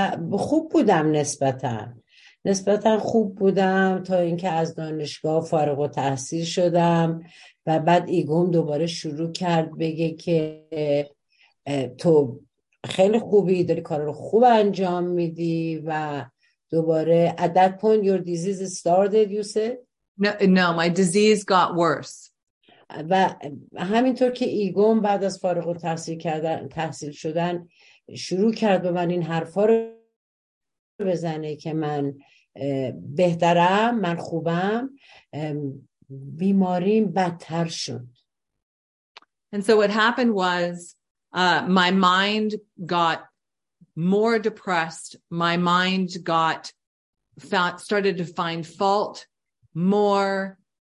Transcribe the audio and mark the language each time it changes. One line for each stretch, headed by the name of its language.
Persian: و خوب بودم نسبتاً خوب بودم تا اینکه از دانشگاه فارغ التحصیل شدم و بعد ایگوم دوباره شروع کرد بگه که تو خیلی خوبی، داری کار رو خوب انجام میدی. و دوباره
English: at that point your disease started, you said? No, my disease got worse.
Persian: و همینطور که ایگوم بعد از فارغ التحصیل کردن تحصیل شدن شروع کرد به من این حرفا رو بزنه که من بهترم، من خوبم، بیماریم بدتر شد.
English: And so what happened was my mind got more depressed. My mind got started to find fault more.